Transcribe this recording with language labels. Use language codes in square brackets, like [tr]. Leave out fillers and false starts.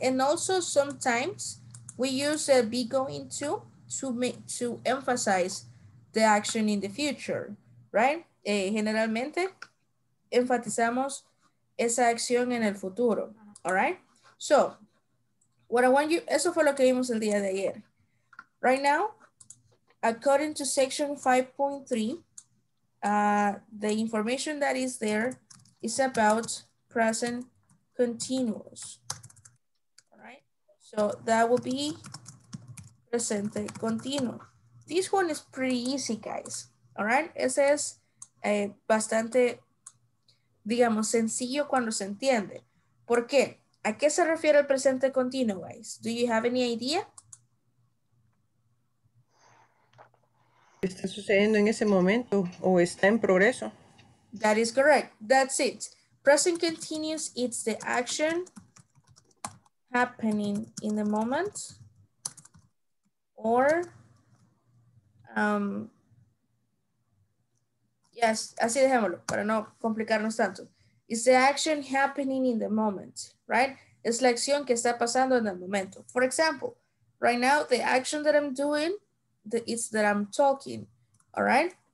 [en] And also sometimes we use be going to emphasize the action in the future, right? [es] Generalmente enfatizamos esa acción en el futuro, [en] all right? So, what I want you, [es] eso fue lo que vimos el día de ayer. [en] Right now, according to section 5.3, the information that is there is about present continuous, all right? So that will be [es] presente continuo. [en] This one is pretty easy, guys, all right? [es] Ese es bastante, digamos, sencillo cuando se entiende. ¿Por qué? ¿A qué se refiere el presente continuo, guys? [en] Do you have any idea? [es] Está sucediendo en ese momento o está en progreso. [en] That is correct. That's it. Present continuous, it's the action happening in the moment or, yes, [es] así dejémoslo para no complicarnos tanto. [en] It's the action happening in the moment, right? [es] Es la acción que está pasando en el momento. [en] For example, right now, the action that I'm doing, it's that I'm talking, all right?